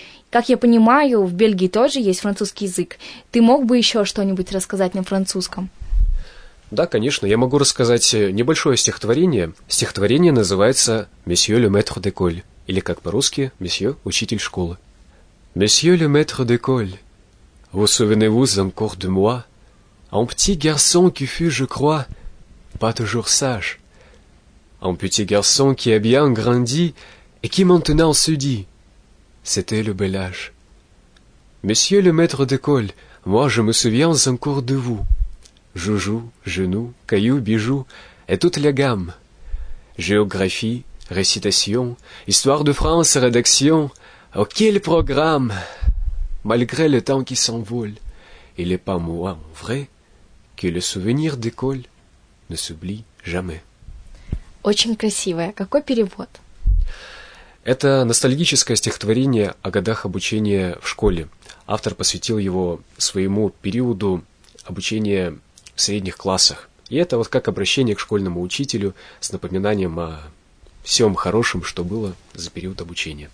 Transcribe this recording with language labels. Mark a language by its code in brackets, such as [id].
[ru] Как я понимаю, в Бельгии тоже есть французский язык. Ты мог бы еще что-нибудь рассказать на французском? Да, конечно, я могу рассказать небольшое стихотворение. Стихотворение называется [fr] «Monsieur le maître d'école», [ru] или как по-русски «Monsieur учитель школы». [fr] «Monsieur le maître d'école, vous souvenez-vous encore de moi, un petit garçon qui fut, je crois, pas toujours sage. Un petit garçon qui a bien grandi et qui maintenant se dit, c'était le bel âge. Monsieur le maître d'école, moi je me souviens encore de vous. Joujou, genou, caillou, bijou et toute la gamme. Géographie, récitation, histoire de France, rédaction. Oh quel programme! Malgré le temps qui s'envole, il n'est pas moi en vrai que le souvenir d'école ne s'oublie jamais. [ru] Очень красивое. Какой перевод? Это ностальгическое стихотворение о годах обучения в школе. Автор посвятил его своему периоду обучения в средних классах. И это вот как обращение к школьному учителю с напоминанием о всем хорошем, что было за период обучения.